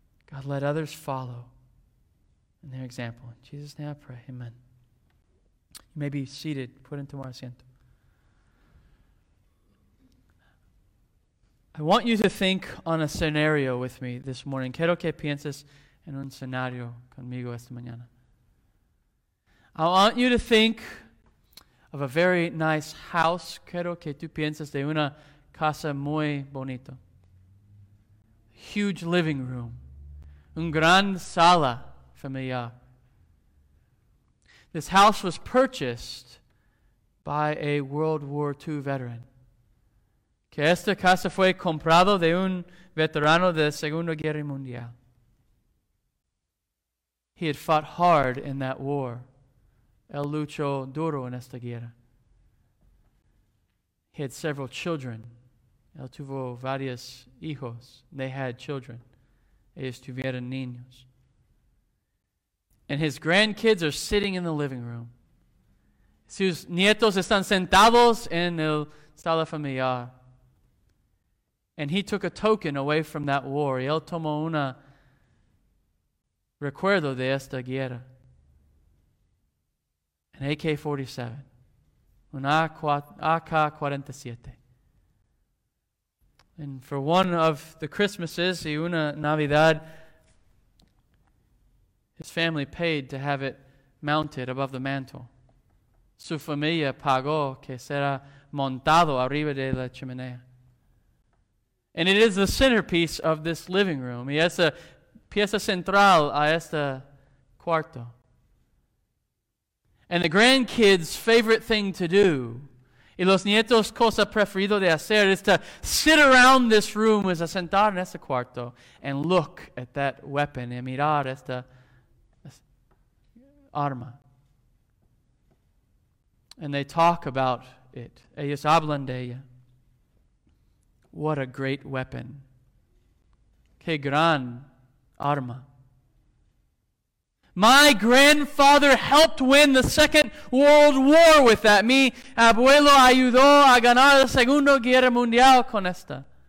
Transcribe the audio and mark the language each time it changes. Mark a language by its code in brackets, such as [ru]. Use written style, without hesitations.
[en] God, let others follow in their example. In Jesus' name I pray, amen. You may be seated, put into [es] tomar asiento. [en] I want you to think on a scenario with me this morning. [es] Quiero que pienses en un escenario conmigo esta mañana. [en] I want you to think of a very nice house. [es] Quiero que tú pienses de una casa muy bonita. [en] Huge living room. [es] Un gran sala familiar. [en] This house was purchased by a World War II veteran. [es] Que esta casa fue comprado de un veterano de Segunda Guerra Mundial. [en] He had fought hard in that war. [es] Él luchó duro en esta guerra. [en] He had several children. [es] Él tuvo varios hijos. [en] They had children. [es] Ellos tuvieron niños. [en] And his grandkids are sitting in the living room. [es] Sus nietos están sentados en el sala familiar. [en] And he took a token away from that war. [es] Y él tomó una recuerdo de esta guerra. [en] an AK-47, an AK-47. And for one of the Christmases, [es] y una Navidad, [en] his family paid to have it mounted above the mantle. [es] Su familia pagó que será montado arriba de la chimenea. [en] And it is the centerpiece of this living room. [es] Y es la pieza central a este cuarto. [en] And the grandkids' favorite thing to do, [es] y los nietos' cosa preferido de hacer, [en] is to sit around this room, [es] is a sentar en este cuarto, [en] and look at that weapon, [es] y mirar esta arma. [en] And they talk about it. [es] Ellos hablan de ella. [en] What a great weapon. [es] Qué gran arma. [en] My grandfather helped win the Second World War with that. [es] Mi abuelo ayudó a ganar la Segunda Guerra Mundial con esta.